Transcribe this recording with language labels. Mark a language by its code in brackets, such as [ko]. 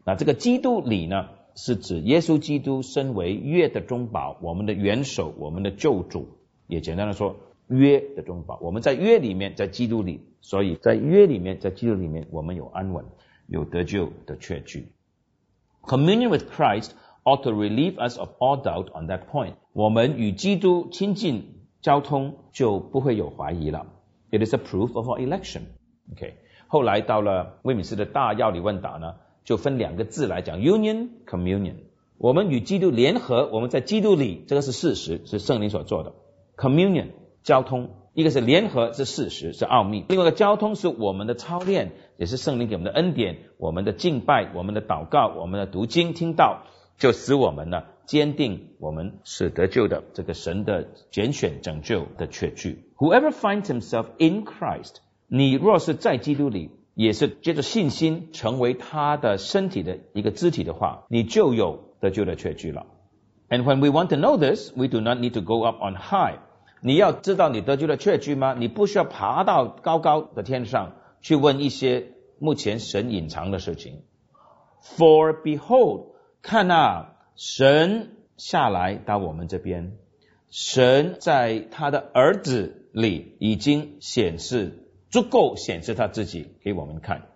[zh] 那这个基督里呢，是指耶稣基督身为约的中保，我们的元首，我们的救主。也简单的说，约的中保，我们在约里面，在基督里，所以在约里面，在基督里面，我们有安稳，有得救的确据。 [en] Communion with Christ ought to relieve us of all doubt on that point. [zh] 我们与基督亲近交通就不会有怀疑了。 [en] It is a proof of our election. [zh] Okay. 后来到了威敏斯的大要理问答呢，就分两个字来讲 ,union, communion. 我们与基督联合，我们在基督里，这个是事实，是圣灵所做的。 Communion, 交通。一个是联合，是事实，是奥秘。另外一个交通是我们的操练，也是圣灵给我们的恩典，我们的敬拜，我们的祷告，我们的读经听道，就使我们呢坚定我们是得救的，这个神的拣选拯救的确据。 [en] Whoever finds himself in Christ， [zh] 你若是在基督里，也是借着信心成为他的身体的一个肢体的话，你就有得救的确据了。 [en] And when we want to know this， we do not need to go up on high。 [zh] 你要知道你得救的确据吗？你不需要爬到高高的天上去问一些目前神隐藏的事情。 [en] For behold， [zh] 看啊，神下来到我们这边，神在他的儿子里已经显示，足够显示他自己给我们看。